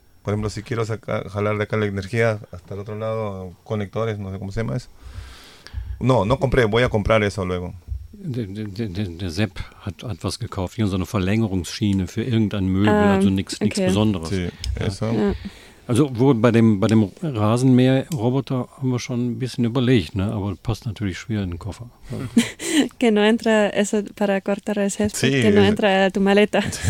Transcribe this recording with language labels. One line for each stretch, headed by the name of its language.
Spanish: Por ejemplo, si quiero jalar de acá la energía hasta el otro lado, conectores, no sé cómo se llama eso. No compré, voy a comprar eso luego.
German: Der Sepp hat was gekauft, hier so eine Verlängerungsschiene für irgendein Möbel, also nichts Besonderes.
Spanish: Sí, eso.
German: Also bei dem Rasenmäher-Roboter haben wir schon ein bisschen überlegt, ne? Aber passt natürlich schwer in den Koffer.
Spanish: Que no entra eso para cortar el césped, sí, que no entra a tu maleta.